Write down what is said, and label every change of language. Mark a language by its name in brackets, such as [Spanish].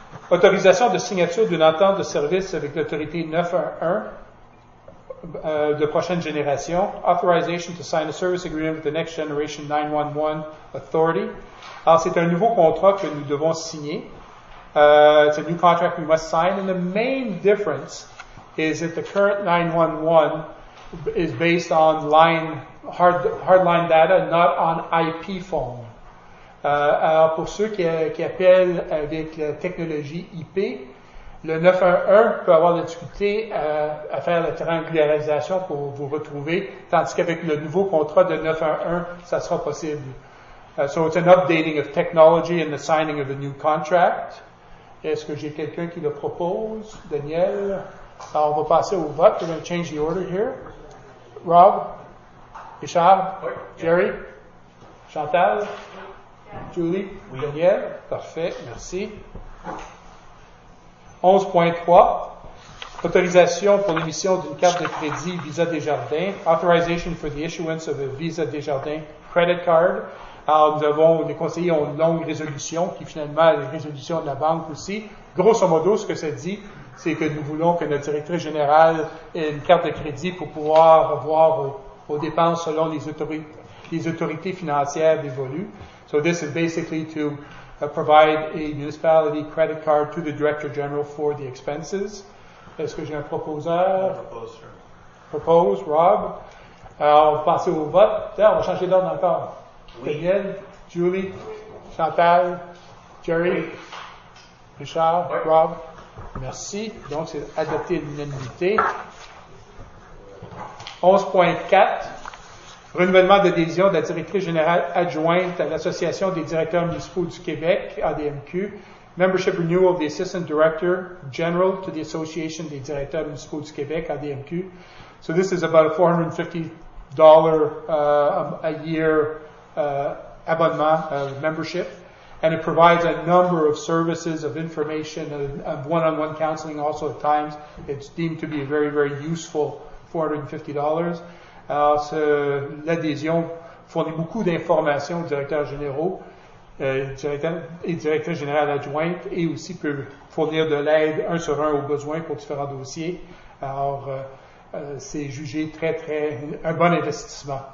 [French] Autorisation de signature d'une entente de service avec l'autorité 911 de prochaine génération. [English] Authorization to sign a service agreement with the next generation 911 authority. [French] Alors, c'est un nouveau contrat que nous devons signer. [English] It's a new contract we must sign. And the main difference is that the current 911 is based on line, hard line data, not on IP phone. [French] Alors, pour ceux qui appellent avec la technologie IP, le 911 peut avoir la difficulté à faire la triangularisation pour vous retrouver, tandis qu'avec le nouveau contrat de 911, ça sera possible. [English] So it's an updating of technology and the signing of a new contract. [French] Est-ce que j'ai quelqu'un qui le propose? Daniel? Alors, on va passer au vote. [English] We're going to change the order here. [French] Rob? Richard? Oui. Jerry? Chantal? Julie? Oui. Daniel? Parfait, merci. 11.3, autorisation pour l'émission d'une carte de crédit Visa Desjardins. [English] Authorization for the issuance of a Visa Desjardins credit card. [French] Alors, nous avons, les conseillers ont une longue résolution qui finalement est la résolution de la banque aussi. Grosso modo, ce que ça dit, c'est que nous voulons que notre directrice générale ait une carte de crédit pour pouvoir voir aux dépenses selon les autorités financières dévolues. [English] So this is basically to provide a municipality credit card to the Director General for the expenses. [French] Est-ce que j'ai un proposeur? [English] Propose, sir. [French] Propose, Rob. Alors, on va passer au vote. Tiens, on va changer d'ordre encore. Oui. Daniel, Julie, Chantal, Jerry, oui. Richard, oui. Rob. Merci. Donc, c'est adopté à l'unanimité. 11.4. Renouvellement d'adhésion de la directrice générale adjointe à l'Association des directeurs municipaux du Québec, ADMQ. [English] Membership renewal of the Assistant Director General to the Association des directeurs municipaux du Québec, ADMQ. So this is about a $450 a year abonnement, membership. And it provides a number of services of information and one-on-one counseling also at times. It's deemed to be a very, very useful $450. [French] Alors, l'adhésion fournit beaucoup d'informations aux directeurs généraux et directeurs généraux adjoints et aussi peut fournir de l'aide un sur un aux besoins pour différents dossiers. Alors, c'est jugé très, très un bon investissement.